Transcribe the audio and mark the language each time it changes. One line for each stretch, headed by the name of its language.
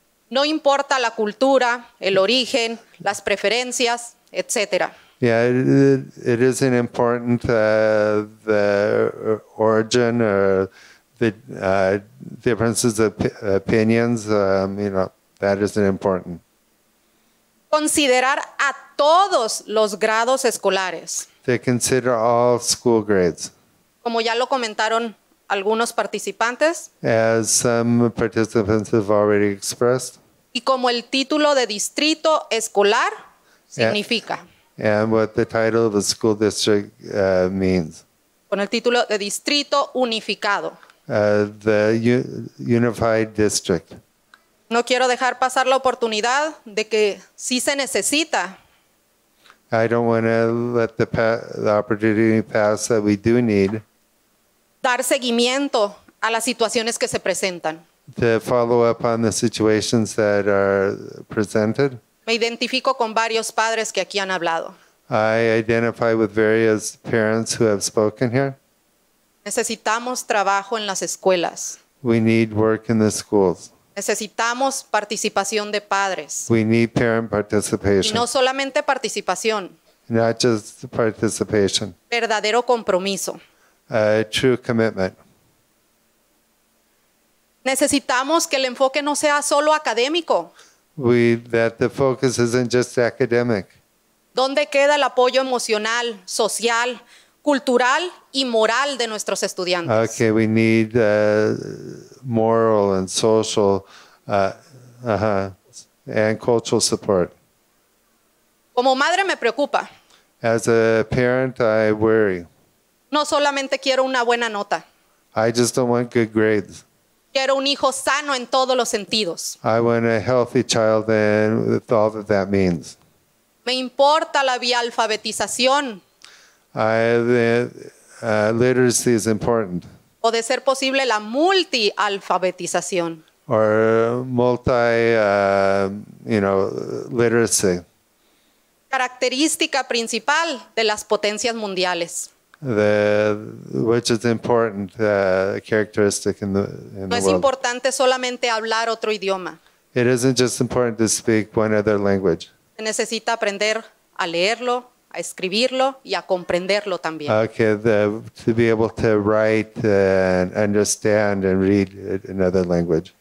Spanish: No importa la cultura, el origen, las preferencias, etc.
English: Yeah, it isn't important the origin or the differences of opinions. That isn't important.
Spanish: Considerar a todos los grados escolares.
English: They consider all school grades.
Spanish: Como ya lo comentaron algunos participantes.
English: As some participants have already expressed.
Spanish: Y como el título de distrito escolar significa.
English: And what the title of a school district means.
Spanish: Con el título de distrito unificado.
English: The unified district.
Spanish: No quiero dejar pasar la oportunidad de que sí se necesita.
English: I don't want to let the opportunity pass that we do need.
Spanish: Dar seguimiento a las situaciones que se presentan.
English: To follow up on the situations that are presented.
Spanish: Me identifico con varios padres que aquí han hablado.
English: I identify with various parents who have spoken here.
Spanish: Necesitamos trabajo en las escuelas.
English: We need work in the schools.
Spanish: Necesitamos participación de padres.
English: We need parent participation.
Spanish: Y no solamente participación.
English: Not just participation.
Spanish: Verdadero compromiso.
English: A true commitment.
Spanish: Necesitamos que el enfoque no sea solo académico.
English: That the focus isn't just academic.
Spanish: ¿Dónde queda el apoyo emocional, social, cultural y moral de nuestros estudiantes?
English: Okay, we need moral and social and cultural support.
Spanish: Como madre me preocupa.
English: As a parent, I worry.
Spanish: No solamente quiero una buena nota.
English: I just don't want good grades.
Spanish: Quiero un hijo sano en todos los sentidos.
English: I want a healthy child and with all that that means.
Spanish: Me importa la vía alfabetización.
English: Literacy is important.
Spanish: O de ser posible la multi-alfabetización.
English: Or literacy.
Spanish: Característica principal de las potencias mundiales.
English: Which is important characteristic in the world.
Spanish: No es importante solamente hablar otro idioma.
English: It isn't just important to speak one other language.
Spanish: Se necesita aprender a leerlo, a escribirlo y a comprenderlo también.
English: Okay, to be able to write and understand and read another language.